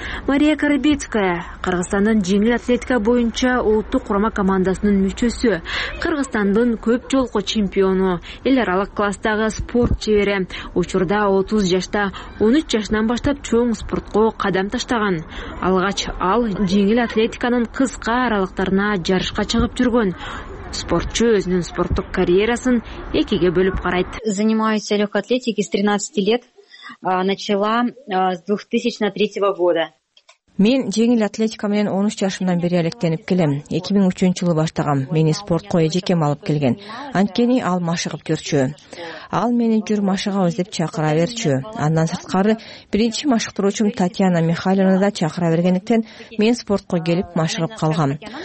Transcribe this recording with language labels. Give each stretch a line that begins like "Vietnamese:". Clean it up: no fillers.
Kyrgyz: Мария Карабицкая Кыргызстандын жеңил атлетика боюнча улуттук курама командасынын мүчөсү, Кыргызстандын көп жолку чемпиону, эл аралык класстагы спорт чебери. Учурда 30 жашта 13 жашынан баштап чоң спортко кадам таштаган. Алгач ал жеңил атлетиканын кыска аралыктарына жарышка чыгып жүргөн. Спортчу өзүнүн спорттук карьерасын экиге бөлүп карайт.
Russian: Занимаюсь легкой атлетикой с 13 лет, начала с 2003 года.
Kyrgyz: Мен жеңил атлетика менен 13 жашымдан бери алектенип келем. 2003-жылы баштагам. Мени спортко эжекем алып келген. Анткени ал машыгып жүрчү. Ал мени жүр машыга өздеп чакыра берчү. Андан сырткары биринчи машыктыруучум Татьяна Михайловна да чакыра бергендиктен мен спортко келип машыгып калгам.